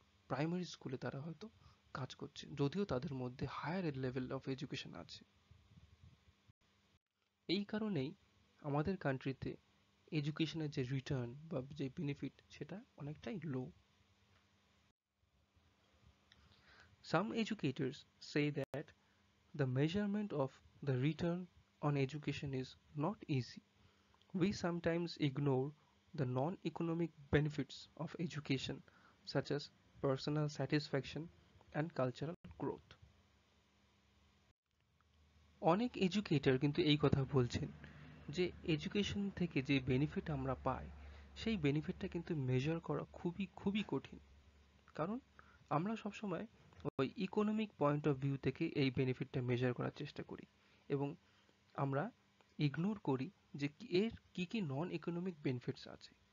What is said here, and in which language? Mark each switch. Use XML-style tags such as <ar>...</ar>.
<bn>Primary স্কুলে তারা হয়তো কাজ করছে যদিও তাদের মধ্যে হায়ার লেভেল অফ এডুকেশন আছে এই কারণেই আমাদের কান্ট্রিতে এডুকেশনের যে রিটার্ন বা যে বেনিফিট সেটা অনেকটাই লো</bn> <en>Some educators say that the measurement of the return on education is not easy. We sometimes ignore the non-economic benefits of education such as personal satisfaction and cultural growth.</en> <bn>অনেক এডুকেটর কিন্তু এই কথা বলছেন যে এডুকেশন থেকে যে বেনিফিট আমরা পাই সেই বেনিফিটটা কিন্তু মেজার করা খুবই খুবই কঠিন কারণ আমরা সবসময় ওই ইকোনমিক পয়েন্ট অফ ভিউ থেকে এই বেনিফিটটা মেজার করার চেষ্টা করি এবং আমরা ইগনোর করি যে এর কী কী নন ইকোনমিক বেনিফিটস আছে</bn>